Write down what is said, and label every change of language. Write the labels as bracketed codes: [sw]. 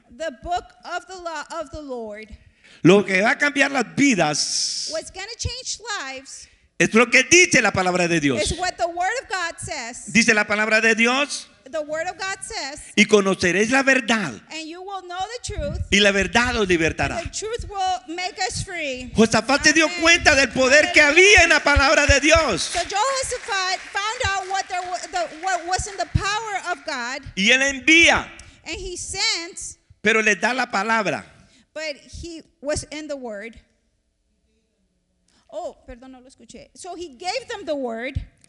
[en] the book of the law of the Lord. [es] Lo que va a cambiar las vidas, [en] what's going to change lives, [es] es lo que dice la palabra de Dios. [en] Is what the word of God says. [es] Dice la palabra de Dios. [en] The word of God says. [es] Y conoceréis la verdad. [en] And you will know the truth. [es] Y la verdad os libertará. [en] And the truth will make us free. [es] Josafat se dio cuenta del poder que había en la palabra de Dios. [en] So Jehoshaphat found out what was in the power of God. [es] Y él envía. [en] And he sent. [es] Pero le da la palabra. [en] But he was in the word. Oh, [es] perdón, no lo escuché. [en] So he gave them the word.